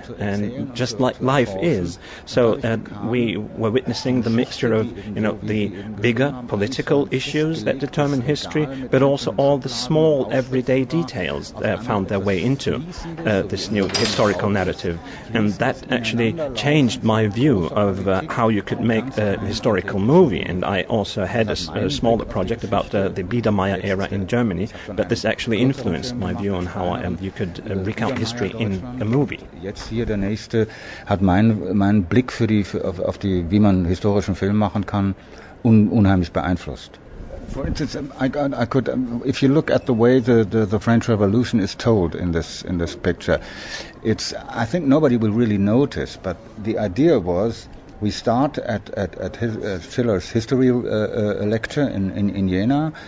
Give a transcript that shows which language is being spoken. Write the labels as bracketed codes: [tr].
[en] And just like life is. So we were witnessing the mixture of, the bigger political issues that determine history, but also all the small everyday details that found their way into this new historical narrative. And that actually changed my view of how you could make a historical movie. And I also had a smaller project about the Biedermeier era in Germany, but this actually influenced my view on how you could recount history in a movie. [de] Der nächste hat meinen Blick auf die wie man historischen Film machen kann unheimlich beeinflusst. [en] For instance, I could if you look at the way the French Revolution is told in this picture, it's I think nobody will really notice, but the idea was we start at Schiller's history lecture in Jena.